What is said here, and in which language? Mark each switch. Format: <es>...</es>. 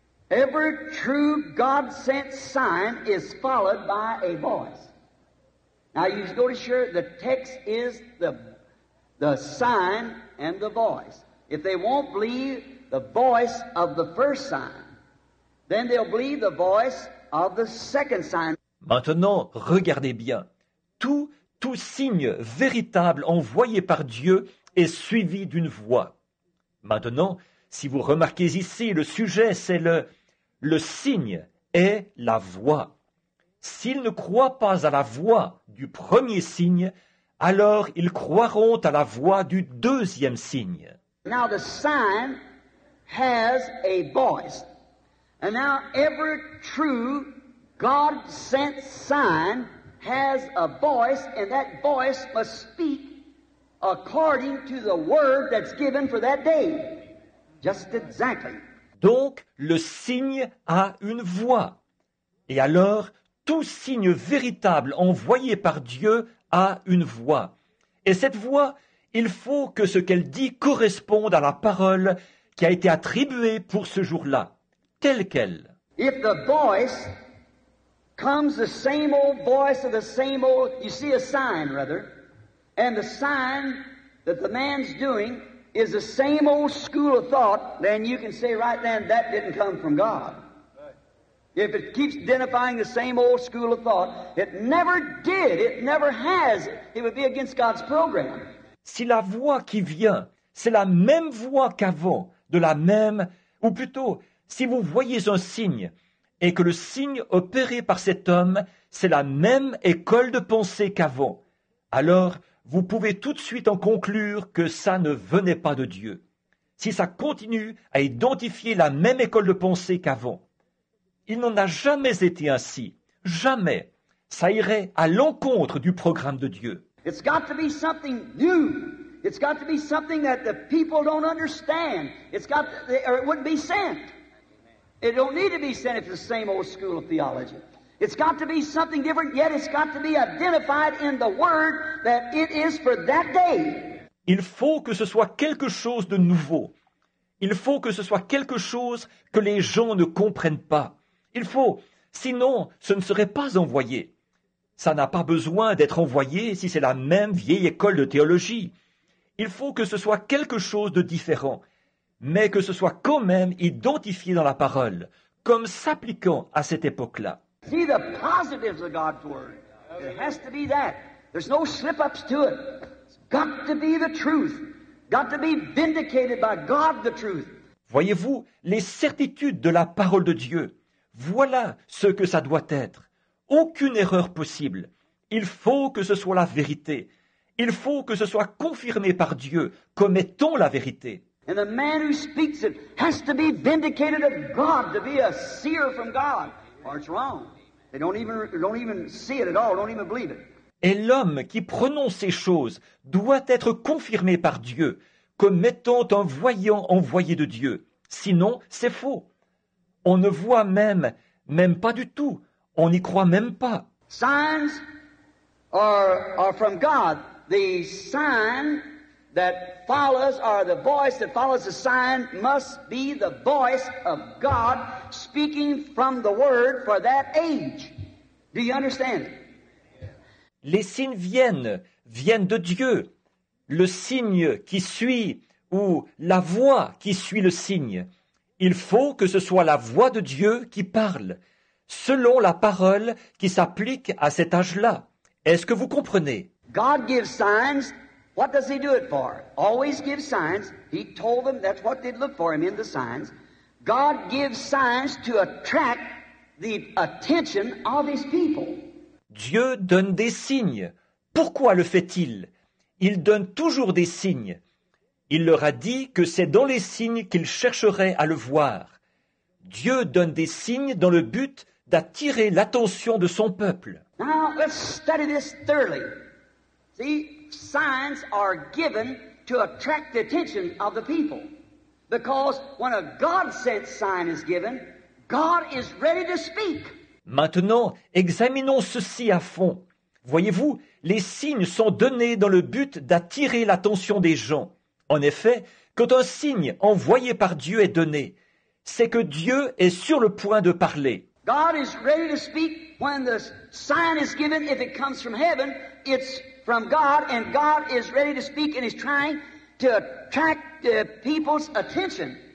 <en>Every true God-sent sign is followed by a voice. Now you go to share the text is the sign and the voice. If they won't believe the voice of the first sign, then they'll believe the voice of the second sign.</en> <fr>Maintenant, regardez bien. Tout signe véritable envoyé par Dieu est suivi d'une voix. Maintenant, si vous remarquez ici, le sujet c'est le signe est la voix. S'il ne croit pas à la voix du premier signe, alors ils croiront à la voix du deuxième signe.</fr> <en>Now the sign has a voice. And now every true God-sent sign has a voice, and that voice must speak according to the word that's given for that day. Just exactly.</en> <fr>Donc le signe a une voix. Et alors tout signe véritable envoyé par Dieu a une voix. Et cette voix, il faut que ce qu'elle dit corresponde à la parole qui a été attribuée pour ce jour-là, telle qu'elle.</fr> <en>If the voice comes the same old voice of the same old, you see a sign rather, and the sign that the man's doing is the same old school of thought, then you can say right then that didn't come from God. If it keeps identifying the same old school of thought, it never did, it never has, it would be against God's program.</en> <fr>Si la voix qui vient, c'est la même voix qu'avant, de la même, ou plutôt, si vous voyez un signe, et que le signe opéré par cet homme, c'est la même école de pensée qu'avant, alors vous pouvez tout de suite en conclure que ça ne venait pas de Dieu. Si ça continue à identifier la même école de pensée qu'avant, il n'en a jamais été ainsi. Jamais. Ça irait à l'encontre du programme de Dieu.</fr> <en>It's got to be something new. It's got to be something that the people don't understand. It's got to, or it wouldn't be sent. It don't need to be sent if it's the same old school of theology. It's got to be something different, yet it's got to be identified in the word that it is for that day.</en> <fr>Il faut que ce soit quelque chose de nouveau. Il faut que ce soit quelque chose que les gens ne comprennent pas. Il faut, sinon ce ne serait pas envoyé. Ça n'a pas besoin d'être envoyé si c'est la même vieille école de théologie. Il faut que ce soit quelque chose de différent, mais que ce soit quand même identifié dans la parole, comme s'appliquant à cette époque-là.</fr> <en>See the positives of God's word. It has to be that. There's no slip-ups to it. It's got to be the truth. Got to be vindicated by God, the truth.</en> <fr>Voyez-vous, les certitudes de la parole de Dieu, voilà ce que ça doit être. Aucune erreur possible. Il faut que ce soit la vérité. Il faut que ce soit confirmé par Dieu comme étant la vérité.</fr> <en>And the man who speaks it has to be vindicated of God, to be a seer from God. Or it's wrong. They don't even see it at all, don't even believe it.</en> <fr>Et l'homme qui prononce ces choses doit être confirmé par Dieu comme étant un voyant envoyé de Dieu. Sinon, c'est faux. On ne voit même pas du tout. On n'y croit même pas.</fr> <en>Signs are from God. The sign that follows, or the voice that follows the sign, must be the voice of God speaking from the Word for that age. Do you understand?</en> <fr>Les signes viennent de Dieu. Le signe qui suit, ou la voix qui suit le signe. Il faut que ce soit la voix de Dieu qui parle, selon la parole qui s'applique à cet âge-là. Est-ce que vous comprenez?</fr> <en>God gives signs. What does he do it for? Always gives signs. He told them that's what they'd look for him in the signs. God gives signs to attract the attention of his people.</en> <fr>Dieu donne des signes. Pourquoi le fait-il? Il donne toujours des signes. Il leur a dit que c'est dans les signes qu'ils chercheraient à le voir. Dieu donne des signes dans le but d'attirer l'attention de son peuple.</fr> <en>Now, let's study this thoroughly. See, signs are given to attract the attention of the people. Because when a God-sent sign is given, God is ready to speak.</en> <fr>Maintenant, examinons ceci à fond. Voyez-vous, les signes sont donnés dans le but d'attirer l'attention des gens. En effet, quand un signe envoyé par Dieu est donné, c'est que Dieu est sur le point de parler.</fr> <en>God is ready to speak when the sign is given. If it comes from heaven, it's from God, and God is ready to speak and is trying to attract the people's attention.</en>